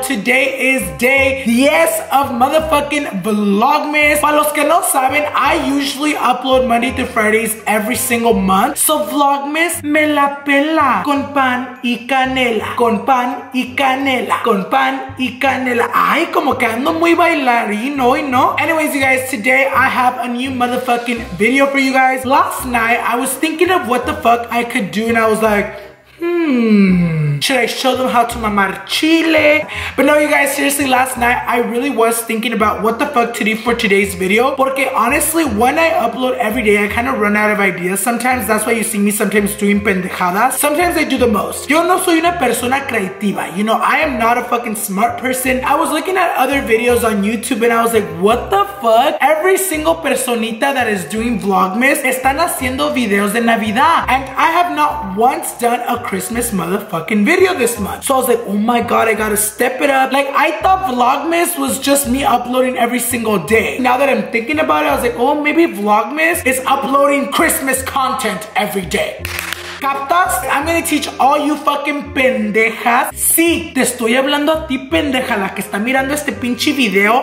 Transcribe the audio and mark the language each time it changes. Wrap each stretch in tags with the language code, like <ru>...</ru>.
<en>Today is day 10 of motherfucking Vlogmas.</en> <es>Para los que no saben,</es> <en>I usually upload Monday through Fridays every single month.</en> <es>So Vlogmas me la pela. Con pan y canela. Con pan y canela. Con pan y canela. Ay, como que ando muy bailarín hoy, ¿no?</es> <en>Anyways, you guys, today I have a new motherfucking video for you guys. Last night, I was thinking of what the fuck I could do, and I was like, should I show them how to</en> <es>mamar chile?</es> <en>But no, you guys, seriously, last night I really was thinking about what the fuck to do for today's video. Porque honestly, when I upload every day, I kind of run out of ideas sometimes. That's why you see me sometimes doing pendejadas. Sometimes I do the most.</en> <es>Yo no soy una persona creativa.</es> <en>You know, I am not a fucking smart person. I was looking at other videos on YouTube and I was like, what the fuck? Every single</en> <es>personita</es> <en>that is doing</en> <es>Vlogmas están haciendo videos de Navidad.</es> <en>And I have not once done a Christmas motherfucking video this month. So I was like, oh my god, I gotta step it up. Like, I thought Vlogmas was just me uploading every single day. Now that I'm thinking about it, I was like, oh, maybe Vlogmas is uploading Christmas content every day. Captas, I'm gonna teach all you fucking pendejas.</en> <es>Sí, te estoy hablando a ti, pendeja, la que está mirando este pinche video.</es>